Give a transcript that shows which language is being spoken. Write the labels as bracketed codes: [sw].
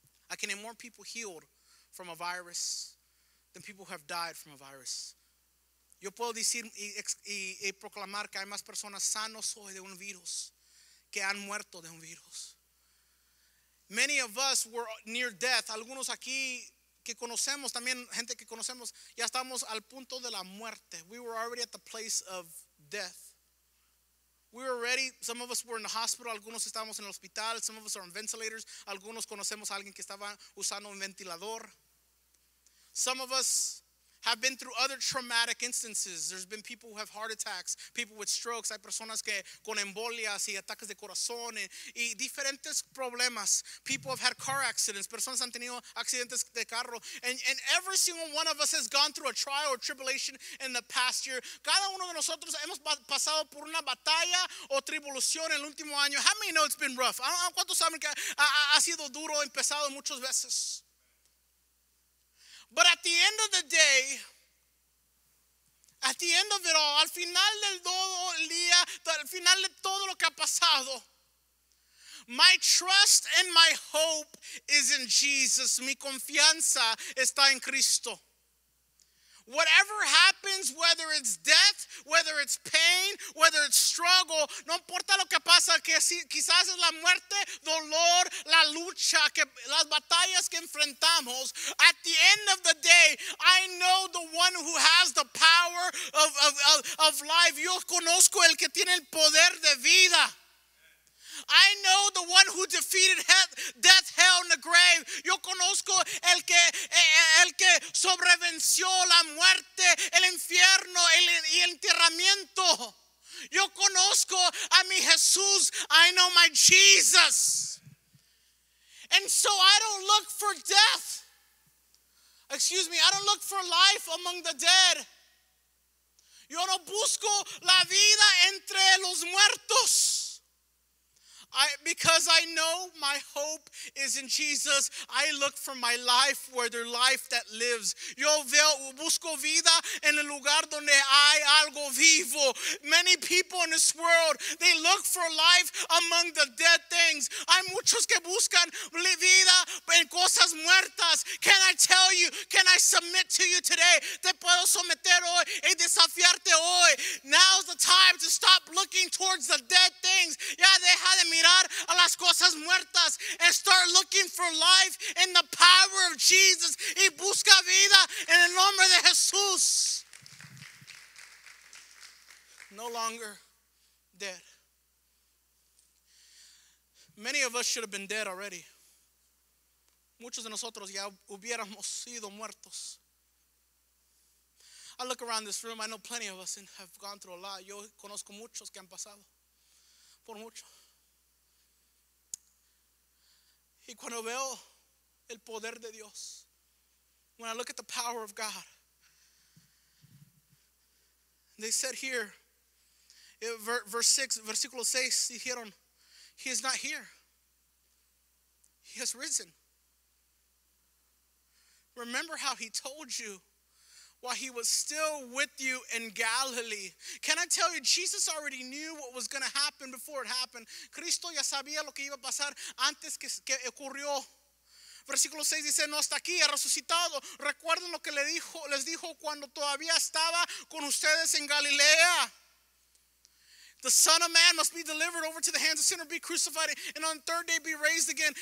[en] I can name more people healed from a virus than people who have died from a virus. [es] Yo puedo decir y proclamar que hay más personas sanos hoy de un virus que han muerto de un virus. [en] Many of us were near death. [es] Algunos aquí que conocemos, también gente que conocemos, ya estamos al punto de la muerte. [en] We were already at the place of death. We were ready. Some of us were in the hospital. [es] Algunos estábamos en el hospital. [en] Some of us are on ventilators. [es] Algunos conocemos a alguien que estaba usando un ventilador. [en] Some of us have been through other traumatic instances. There's been people who have heart attacks, people with strokes. [es] Hay personas que con embolias y ataques de corazón y diferentes problemas. [en] People have had car accidents. [es] Personas han tenido accidentes de carro. [en] And every single one of us has gone through a trial or tribulation in the past year. [es] Cada uno de nosotros hemos pasado por una batalla o tribulación en el último año. [en] How many know it's been rough? [es] ¿Cuántos saben que ha sido duro, empezado muchas veces? [en] But at the end of the day, at the end of it all, [es] al final del todo el día, al final de todo lo que ha pasado, [en] my trust and my hope is in Jesus. [es] Mi confianza está en Cristo. [en] Whatever happens, whether it's death, whether it's pain, whether it's struggle, [es] no importa lo que pasa, que si, quizás es la muerte, dolor, la lucha, que, las batallas que enfrentamos, [en] at the end of the day, I know the one who has the power of life. [es] Yo conozco el que tiene el poder de vida. [en] I know the one who defeated death, hell, and the grave. [es] Yo conozco el que sobrevenció la muerte, el infierno, y el enterramiento. Yo conozco a mi Jesús. [en] I know my Jesus. And so I don't look for death. Excuse me, I don't look for life among the dead. [es] Yo no busco la vida entre los muertos. [en] because I know my hope is in Jesus, I look for my life where there's life that lives. [es] Yo veo, busco vida en el lugar donde hay algo vivo. [en] Many people in this world, they look for life among the dead things. [es] Hay muchos que buscan vida en cosas muertas. [en] Can I tell you, can I submit to you today? [es] Te puedo someter hoy y desafiarte hoy. [en] Now's the time to stop looking towards the dead things. [es] Ya deja de mirar a las cosas muertas [en] and start looking for life in the power of Jesus. [es] Y busca vida en el nombre de Jesús. [en] No longer dead. Many of us should have been dead already. [es] Muchos de nosotros ya hubiéramos sido muertos. [en] I look around this room, I know plenty of us have gone through a lot. [es] Yo conozco muchos que han pasado por mucho. Y cuando veo el poder de Dios, [en] when I look at the power of God, they said here, [es] versículo 6, dijeron, [en] He is not here. He has risen. Remember how he told you while he was still with you in Galilee. Can I tell you, Jesus already knew what was going to happen before it happened. [es] Cristo ya sabía lo que iba a pasar antes que ocurrió. Versículo 6 dice, no está aquí, ha resucitado. Recuerden lo que les dijo cuando todavía estaba con ustedes en Galilea. [en] The Son of Man must be delivered over to the hands of sinners, be crucified, and on the third day be raised again.